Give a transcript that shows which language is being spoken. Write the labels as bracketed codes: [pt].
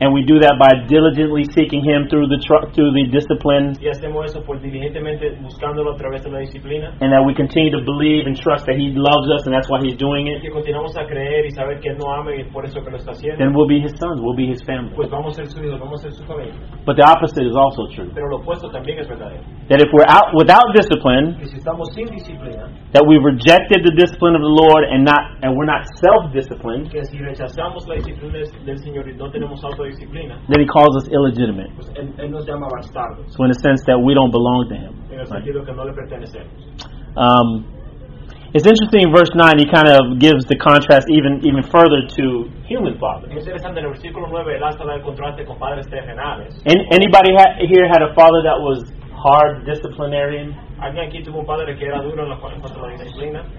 [en] and we do that by diligently seeking Him through the discipline, [es] y hacemos eso por diligentemente buscándolo a través de la disciplina, [en] and that we continue to believe and trust that He loves us and that's why He's doing it, [es] y que continuamos a creer y saber que Él nos ama y por eso que lo está haciendo, [en] then we'll be His sons, we'll be His family. [es] Pues vamos a ser sus hijos, vamos a ser su familia. [en] But the opposite is also true. [es] Pero lo opuesto también es verdadero. [en] That if we're out without discipline, [es] y si estamos sin disciplina, [en] that we've rejected the discipline of the Lord and we're not self-disciplined, [es] que si rechazamos la disciplina del Señor y no tenemos autodisciplina, [en] then He calls us illegitimate. [es] Pues él nos llama bastardos. [en] So in a sense that we don't belong to Him. [es] En el sentido [en] right? [es] Que no le pertenecemos. [en] It's interesting, verse 9, he kind of gives the contrast even further to human fathers. [es] Es interesante, en el versículo 9, él hasta da el contraste con padres terrenales. [en] Anybody here had a father that was hard disciplinarian? [es] ¿Alguien aquí tuvo un padre que era duro en la contra la disciplina?